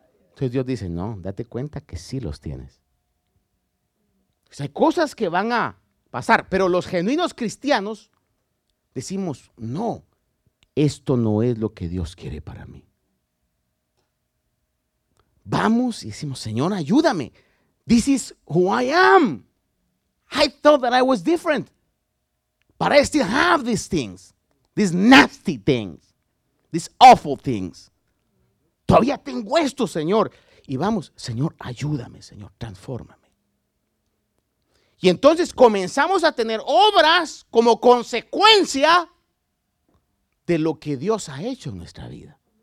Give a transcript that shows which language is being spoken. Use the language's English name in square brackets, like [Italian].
[Spanish] Entonces Dios dice: no, date cuenta que sí los tienes. O sea, hay cosas que van a pasar, pero los genuinos cristianos decimos, no, esto no es lo que Dios quiere para mí. Vamos y decimos, Señor, ayúdame. [English] This is who I am. I thought that I was different. But I still have these things. These nasty things. These awful things. [Spanish] Todavía tengo esto, Señor. Y vamos, Señor, ayúdame, Señor, transfórmame. Y entonces comenzamos a tener obras como consecuencia de lo que Dios ha hecho en nuestra vida.